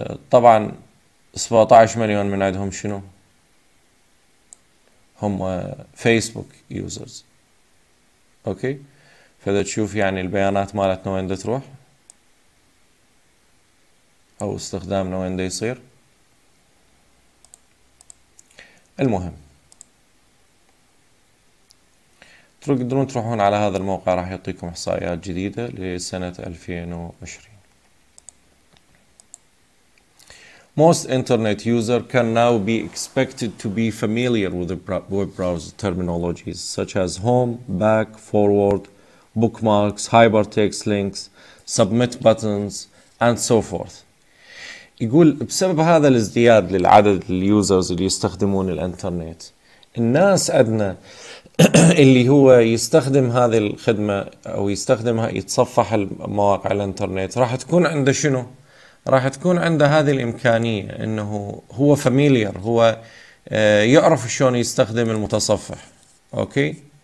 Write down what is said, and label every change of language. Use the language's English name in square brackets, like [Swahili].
[Arabic] طبعا 17 مليون من عندهم شنو؟ هم فيسبوك يوزرز، اوكي؟ فاذا تشوف يعني البيانات مالتنا وين تروح او استخدامنا وين يصير. المهم تقدرون تروحون على هذا الموقع، راح يعطيكم احصائيات جديدة لسنة 2020. [English] Most internet users can now be expected to be familiar with the web browser terminologies such as home, back, forward, bookmarks, hypertext links, submit buttons, and so forth. [Arabic] يقول بسبب هذا الازدياد للعدد اليوزرز اللي يستخدمون الانترنت، الناس عندنا اللي هو يستخدم هذه الخدمة أو يستخدمها يتصفح المواقع الانترنت، راح تكون عنده شنو؟ راح تكون عنده هذه الإمكانية إنه هو familiar، هو يعرف شلون يستخدم المتصفح، أوكي؟